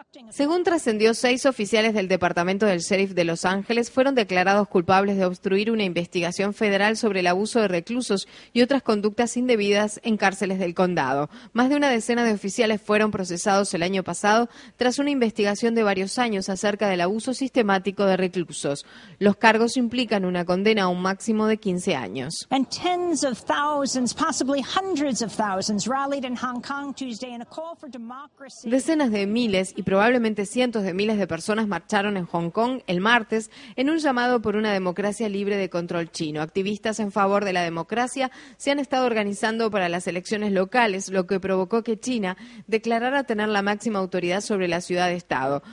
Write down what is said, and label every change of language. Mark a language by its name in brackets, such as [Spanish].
[Spanish] Según trascendió, 6 oficiales del Departamento del Sheriff de Los Ángeles fueron declarados culpables de obstruir una investigación federal sobre el abuso de reclusos y otras conductas indebidas en cárceles del condado. Más de una decena de oficiales fueron procesados el año pasado tras una investigación de varios años acerca del abuso sistemático de reclusos. Los cargos implican una condena a un máximo de 15 años. [English] And tens of thousands, possibly hundreds of thousands, rallied in Hong Kong Tuesday in a call for democracy. [Spanish] Decenas de miles y probablemente cientos de miles de personas marcharon en Hong Kong el martes en un llamado por una democracia libre de control chino. Activistas en favor de la democracia se han estado organizando para las elecciones locales, lo que provocó que China declarara tener la máxima autoridad sobre la ciudad de Estado.